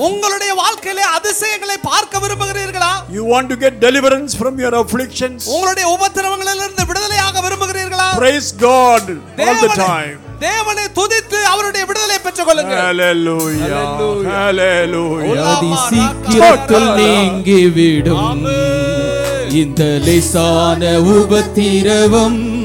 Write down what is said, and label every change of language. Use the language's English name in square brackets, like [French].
[Tamil] உங்களுடைய வாழ்க்கையிலே அதிசயங்களை பார்க்க விரும்புகிறீர்களா? [English] You want to get deliverance from your afflictions? [Tamil] உங்களுடைய உபத்திரவங்களிலிருந்து விடுதலையாக விரும்புகிறீர்களா? [English] Praise God all the time. [Tamil] தேவனை துதித்து அவருடைய விடுதலை பெற்றுக் கொள்ளுங்க. ஹல்லேலூயா ஹல்லேலூயா. அதி சீக்கிரத்தில் நீங்கி விடும் இந்த லேசான உபத்திரவம்.